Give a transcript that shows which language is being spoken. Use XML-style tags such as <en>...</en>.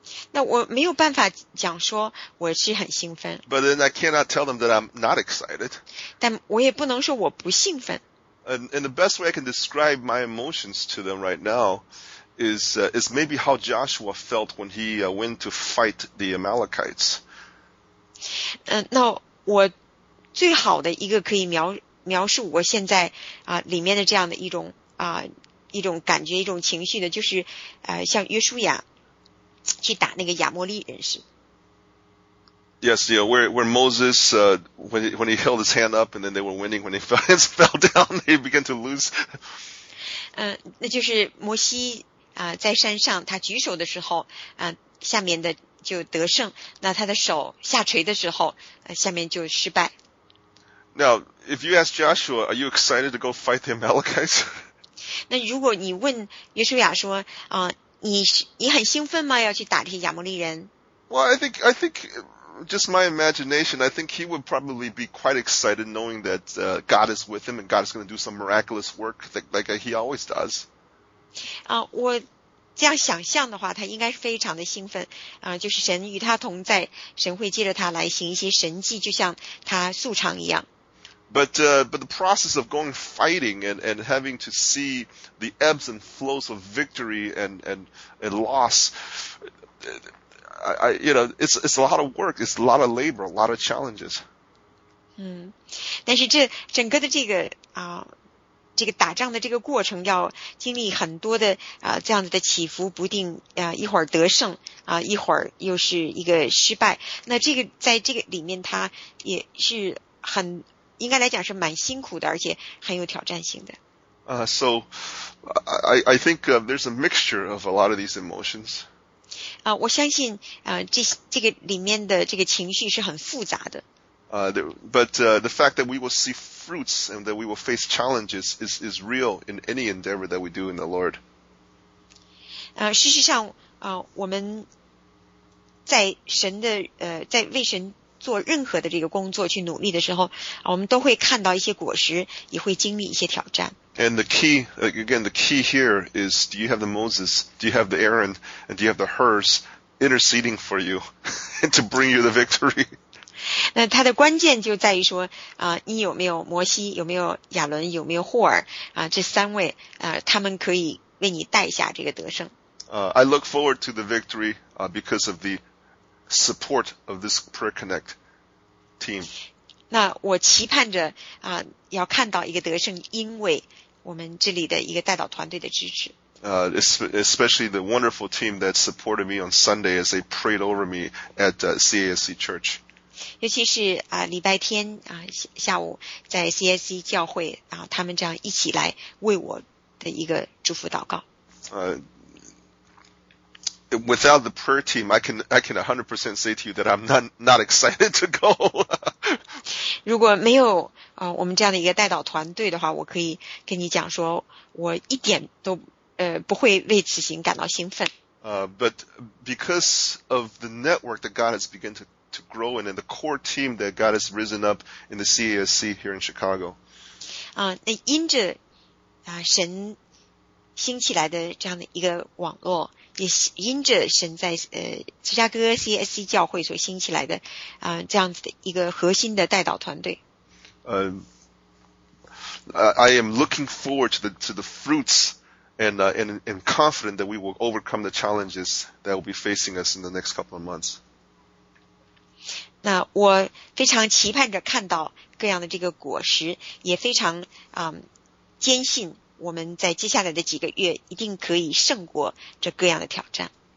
<zh>那我没有办法讲说我是很兴奋。</zh> <en>But then I cannot tell them that I'm not excited.</en> <zh>但我也不能说我不兴奋。</zh> <en>And the best way I can describe my emotions to them right now is maybe how Joshua felt when he went to fight the Amalekites.</en> <zh>那我最好的一个可以描述我现在里面的这样的一种感觉，一种情绪的，就是像约书亚。去打那个亚摩利人士。</zh> <en>Yes, yeah, where Moses, when he held his hand up and then they were winning, when he fell down, he began to lose.</en> <zh>那就是摩西在山上他举手的时候下面的就得胜，那他的手下垂的时候下面就失败。</zh> <en>Now, if you ask Joshua, are you excited to go fight the Amalekites?</en> <zh>那如果你问约书亚说你很兴奋吗？要去打这些亚摩利人</zh> <en>？Well, I think just my imagination. I think he would probably be quite excited knowing that God is with him and God is going to do some miraculous work like he always does.</en> <zh>我这样想象的话，他应该是非常的兴奋就是神与他同在，神会借着他来行一些神迹，就像他素常一样。</zh> <en>But the process of going fighting and having to see the ebbs and flows of victory and loss, it's a lot of work, it's a lot of labor, a lot of challenges.</en> <zh>但是这整个的这个这个打仗的这个过程要经历很多的这样子的起伏不定一会儿得胜一会儿又是一个失败。那这个在这个里面它也是很应该来讲是蛮辛苦的，而且很有挑战性的。</zh> <en>So I think there's a mixture of a lot of these emotions.</en> <zh>我相信这个里面的这个情绪是很复杂的。</zh> <en>The fact that we will see fruits and that we will face challenges is real in any endeavor that we do in the Lord.</en> <zh>事实上我们在神的在为神做任何的这个工作去努力的时候我们都会看到一些果实，也会经历一些挑战。</zh> <en>And the key, again, the key here is, do you have the Moses, do you have the Aaron, and do you have the Hurs interceding for you to bring you the victory?</en> <zh>那它的关键就在于说你有没有摩西，有没有亚伦，有没有霍尔这三位他们可以为你带下这个得胜。</zh> <en>I look forward to the victory because of the support of this Prayer Connect team.</en> <zh>那我期盼着要看到一个得胜，因为我们这里的一个代祷团队的支持。</zh> <en>Especially the wonderful team that supported me on Sunday as they prayed over me at CASC Church.</en> <zh>尤其是礼拜天下午在 CASC 教会他们这样一起来为我的一个祝福祷告。</zh> <en>Without the prayer team, I can 100% say to you that I'm not excited to go.</en> <zh>如果没有我们这样的一个代祷团队的话，我可以跟你讲说，我一点都不会为此行感到兴奋。</zh> <en>But because of the network that God has begun to grow in, and the core team that God has risen up in the CASC here in Chicago.</en> <zh>那因着神兴起来的这样的一个网络。也因着神在芝加哥 CSC 教会所兴起来的这样子的一个核心的代祷团队。</zh> <en>I am looking forward to the fruits and confident that we will overcome the challenges that will be facing us in the next couple of months.</en> <zh>那我非常期盼着看到各样的这个果实，也非常坚信我们在接下来的几个月一定可以胜过这各样的挑战。</zh>